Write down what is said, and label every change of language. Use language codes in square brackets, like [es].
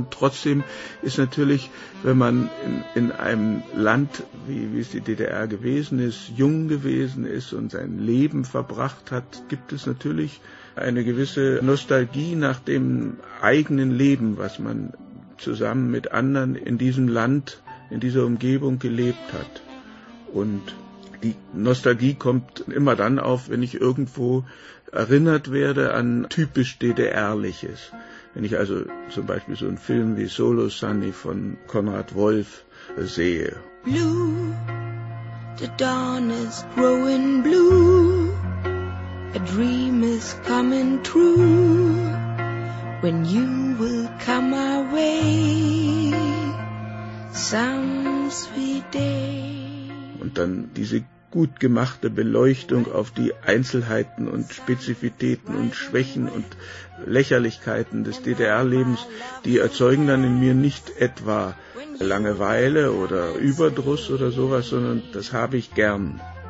[de] Und trotzdem ist natürlich, wenn man in einem Land, wie es die DDR gewesen ist, jung gewesen ist und sein Leben verbracht hat, gibt es natürlich eine gewisse Nostalgie nach dem eigenen Leben, was man zusammen mit anderen in diesem Land, in dieser Umgebung gelebt hat. Und die Nostalgie kommt immer dann auf, wenn ich irgendwo erinnert werde an typisch DDR-liches. Wenn ich also zum Beispiel so einen Film wie Solo Sunny von Konrad Wolf sehe. [en] Blue, the dawn is growing blue, a dream is coming true. When you will come my way, some sweet day. [de] Und dann diese gut gemachte Beleuchtung auf die Einzelheiten und Spezifitäten und Schwächen und Lächerlichkeiten des DDR-Lebens, die erzeugen dann in mir nicht etwa Langeweile oder Überdruss oder sowas, sondern das habe ich gern.